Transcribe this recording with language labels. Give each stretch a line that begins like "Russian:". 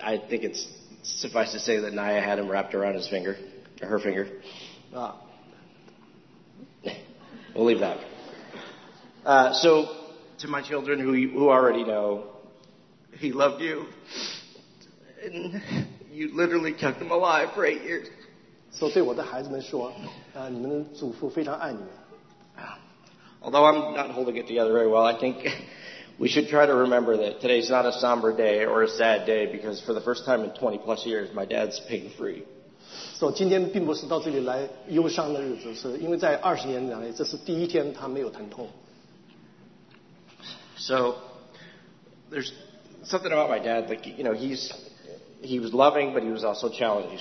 English: I think it's suffice to say that Naya had him wrapped around his finger, or her finger. We'll leave that. So to my children who already know, he loved you, and you literally kept him alive for 8 years.
Chinese: So 对我的孩子们说, 你们祖父非常爱你。
English: Although I'm not holding it together very well, I think we should try to remember that today's not a somber day or a sad day, because for the first time in 20 plus years, my dad's pain-free.
Chinese: So 今天并不是到这里来忧伤的日子，是因为在20年来，这是第一天他没有疼痛。
English: So there's something about my dad that, you know, he was loving, but he was also challenging.